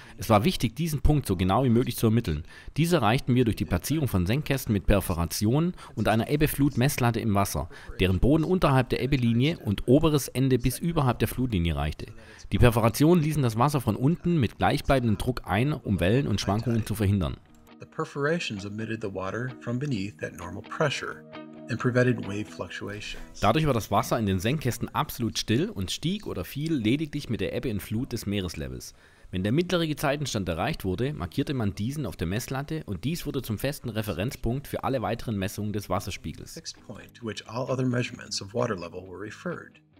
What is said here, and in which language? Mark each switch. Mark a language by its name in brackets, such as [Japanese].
[German] Es war wichtig, diesen Punkt so genau wie möglich zu ermitteln. Diese erreichten wir durch die Platzierung von Senkkästen mit Perforationen und einer Ebbe-Flut-Messlatte im Wasser, deren Boden unterhalb der Ebbe-Linie und oberes Ende bis überhalb der Flutlinie reichte. Die Perforationen ließen das Wasser von unten mit gleichbleibendem Druck ein, um Wellen und Schwankungen zu verhindern. [English] The perforations emitted the water from beneath at normal pressure and prevented wave fluctuations. [German] Dadurch war das Wasser in den Senkkästen absolut still und stieg oder fiel lediglich mit der Ebbe und Flut des Meereslevels. Wenn der mittlere Gezeitenstand erreicht wurde, markierte man diesen auf der Messlatte und dies wurde zum festen Referenzpunkt für alle weiteren Messungen des Wasserspiegels. [English] Fixed point to which all other measurements of water level were referred.